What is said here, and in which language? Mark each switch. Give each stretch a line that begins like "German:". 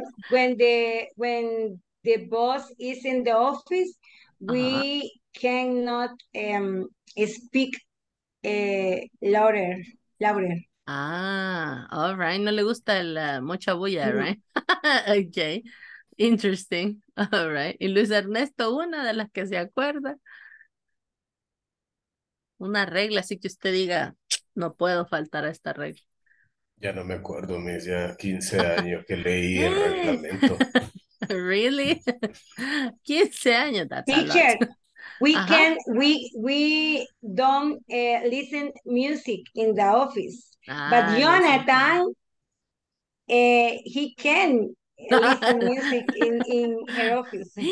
English: When the boss is in the office, we cannot speak louder. Ah, all right.
Spanish: No le gusta la mucha bulla, mm-hmm.
English: right? Okay. Interesting. All right.
Spanish: Y Luis Ernesto, una de las que se acuerda. Una regla, así que usted diga, no puedo faltar a esta regla. Ya no me acuerdo, me decía 15 años que leí el reglamento.
English: Really?
Spanish: 15 años,
English: that's teacher, we uh-huh. can, we don't listen music in the office. But Jonathan, he can listen music in her office.